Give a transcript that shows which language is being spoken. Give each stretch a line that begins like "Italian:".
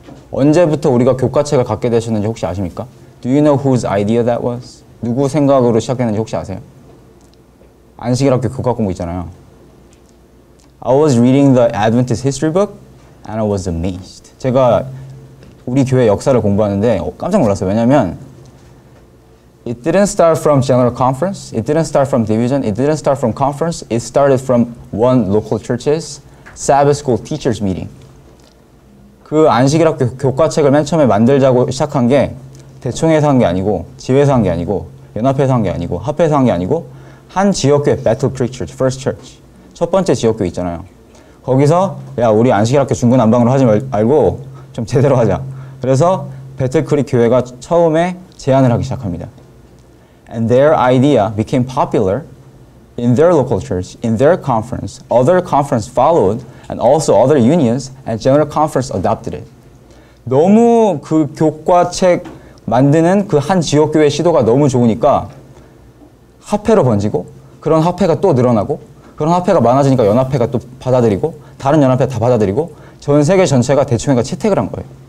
Korean: 언제부터 우리가 교과책을 갖게 되셨는지 혹시 아십니까?
English: Do you know whose idea that was?
Korean: 누구 생각으로 시작했는지 혹시 아세요? 안식일 학교 교과 공부 있잖아요.
English: I was reading the Adventist history book and I was amazed.
Korean: 제가 우리 교회 역사를 공부하는데 깜짝 놀랐어요. 왜냐면
English: It didn't start from general conference. It didn't start from division. It didn't start from conference. It started from one local church's Sabbath school teachers meeting.
Korean: 그 안식일 학교 교과책을 맨 처음에 만들자고 시작한 게 대총회에서 한 게 아니고 지회에서 한 게 아니고 연합회에서 한 게 아니고 합회에서 한 게 아니고 한 지역교회 Battle Creek Church, First Church 첫 번째 지역교회 있잖아요. 거기서 야 우리 안식일 학교 중구난방으로 하지 말고 좀 제대로 하자. 그래서 Battle Creek 교회가 처음에 제안을 하기 시작합니다.
English: And their idea became popular in their local church, in their conference. Other conference followed, and also other unions and general conference adopted it.
Korean: 너무 그 교과책 만드는 그 한 지역교회 시도가 너무 좋으니까 합회로 번지고 그런 합회가 또 늘어나고 그런 합회가 많아지니까 연합회가 또 받아들이고 다른 연합회 다 받아들이고 전 세계 전체가 대총회가 채택을 한 거예요.